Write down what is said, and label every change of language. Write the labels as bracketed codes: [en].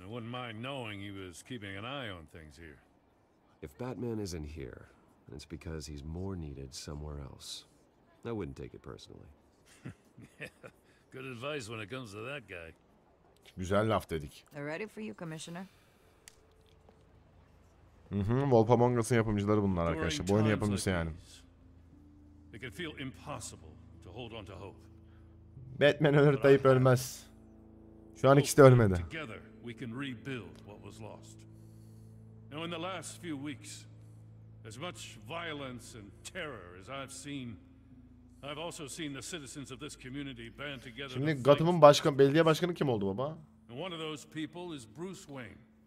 [en] I wouldn't mind knowing he was keeping an eye on things here. If Batman isn't here, then it's because he's more needed somewhere else. I wouldn't take it personally. Yeah, good advice when it comes to that guy. [tr] Güzel laf dedik. [en] They're ready for you, Commissioner. [tr] Wolf Among Us'ın yapımcıları bunlar arkadaşlar. Bu oyunun yapımcısı yani. [en] It can feel impossible to hold on to hope. [tr] Batman ölür deyip ölmez. Şu an ikisi de ölmedi. [en] Together we can rebuild what was lost. Now in the last few weeks, as much violence and terror as I've seen, I've also seen the citizens of this community band together. [tr] Şimdi Gotham'ın başkanı, belediye başkanı kim oldu baba? [en] And one of those people is Bruce Wayne.